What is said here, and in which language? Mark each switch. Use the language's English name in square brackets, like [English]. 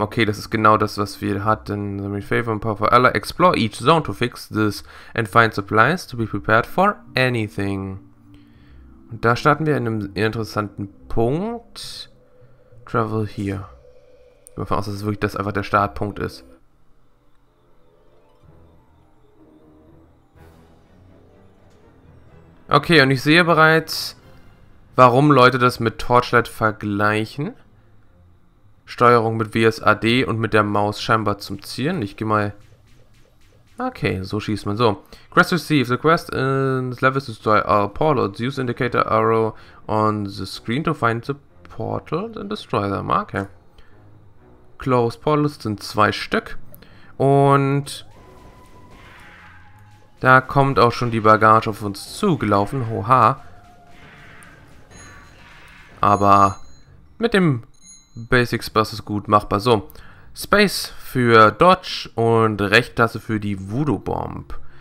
[German] Okay, das ist genau das, was wir hatten. [English] Samedi favor and power for Allah. Explore each zone to fix this and find supplies to be prepared for anything. [German] Und da starten wir in einem interessanten Punkt. [English] Travel here. [German] Ich hoffe, dass es wirklich das einfach der Startpunkt ist. Okay, und ich sehe bereits, warum Leute das mit Torchlight vergleichen. Steuerung mit WSAD und mit der Maus scheinbar zum Zielen. Ich gehe mal. Okay, so schießt man. So. [English] Quest received. The quest is level to destroy all portals. Use indicator arrow on the screen to find the portals and destroy them. [German] Okay. Close portals sind zwei Stück. Und da kommt auch schon die Bagage auf uns zugelaufen. Hoha. Aber mit dem Basic Spurs ist gut machbar. So, Space für Dodge und Rechttaste für die Voodoo Bomb.